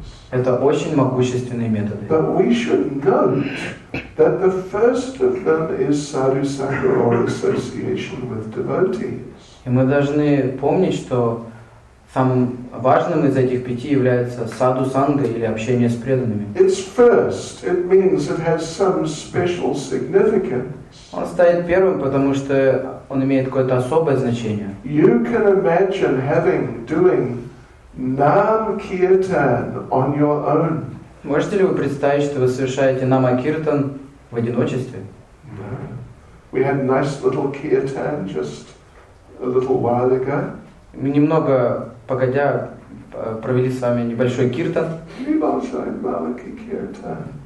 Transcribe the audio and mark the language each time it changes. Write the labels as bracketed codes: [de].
[ru] Это очень могущественные методы. [en] But we should note that the first of them is sadhu sangha or association with devotees. [ru] И мы должны помнить, что самым важным из этих пяти является саду санга или общение с преданными. [en] It's first. It means it has some special significance. [ru] Он стоит первым, потому что он имеет какое-то особое значение. [en] You can imagine having doing Nam Kirtan on your own. [ru] Можете ли вы представить, что вы совершаете Нама Киртан в одиночестве? [en] We had a nice little Kirtan just a little while ago. [ru] Мы немного погодя провели с вами небольшой Киртан. Небольшой маленький Киртан.